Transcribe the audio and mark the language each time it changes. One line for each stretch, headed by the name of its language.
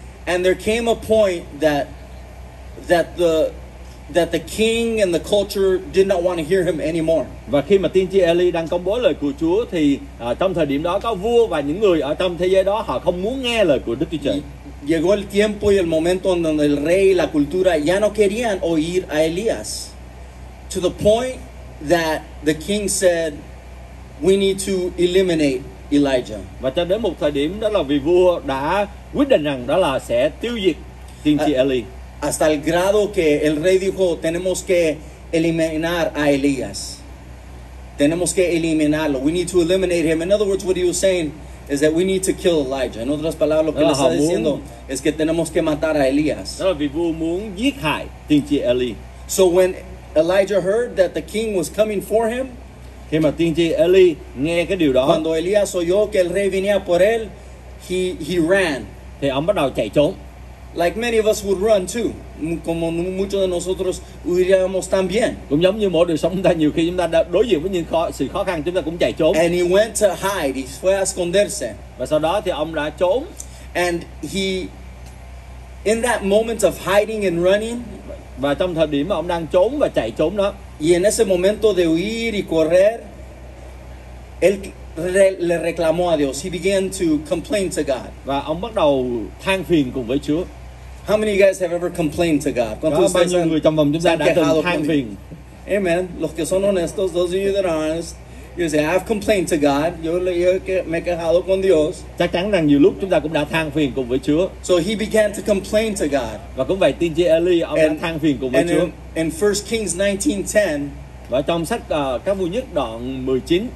English: And there came a point that the king and the culture did not want to hear him anymore.
Vietnamese: Và khi mà tiên tri Eli đang công bố lời của Chúa thì trong thời điểm đó có vua và những người ở trong thế giới đó họ không muốn nghe lời của Đức Chúa Trời.
Spanish: Llegó el tiempo y el momento en donde el rey y la cultura ya no querían oír a Elías.
English: To the point that the king said, we need to eliminate Elijah.
Vietnamese: Và cho đến một thời điểm đó là vì vua đã quyết định rằng đó là sẽ tiêu diệt tiên tri Eli.
Spanish: Hasta el grado que el rey dijo, tenemos que eliminar a Elías. Tenemos que eliminarlo.
English: We need to eliminate him. In other words, what he was saying is that we need to kill Elijah.
Spanish: En otras palabras, lo que él está diciendo es que tenemos que matar a Elías.
Vietnamese: Đó là vì vua muốn giết hại tiên tri Eli.
English: So when Elijah heard that the king was coming for him,
Vietnamese: khi mà tiên tri Eli nghe cái điều đó,
Spanish: cuando Elías oyó que el rey venía por él,
English: he ran.
Vietnamese: Thì ông bắt đầu chạy trốn.
English: Like many of us would run too.
Spanish: Como muchos de nosotros huiríamos también.
Vietnamese: Cũng giống như mỗi đời sống chúng ta, nhiều khi chúng ta đối diện với những sự khó khăn, chúng ta cũng chạy trốn.
English: And he went to hide. He
Spanish: fue a esconderse.
Vietnamese: Và sau đó thì ông đã trốn.
English: And he, in that moment of hiding and running,
Vietnamese: và trong thời điểm mà ông đang trốn và chạy trốn đó,
Spanish: y en ese momento de huir y correr, él le reclamó a Dios.
English: He began to complain to God.
Vietnamese: Và ông bắt đầu than phiền cùng với Chúa.
English: How many guys have ever complained to God?
Vietnamese: Có bao nhiêu người trong vòng chúng ta đã từng than phiền?
English: Amen.
Spanish: Los que son honestos,
English: those of you that are honest, you say, I've complained to God.
Spanish: Yo le he quejado con Dios.
Vietnamese: Chắc chắn rằng nhiều lúc chúng ta cũng đã than phiền cùng với Chúa.
English: So he began to complain to God.
Vietnamese: Và cũng vậy, tiên tri Eli, ông đã than phiền cùng với Chúa.
English: In 1 Kings 19:10,
Vietnamese: và trong sách các vua nhất đoạn 19,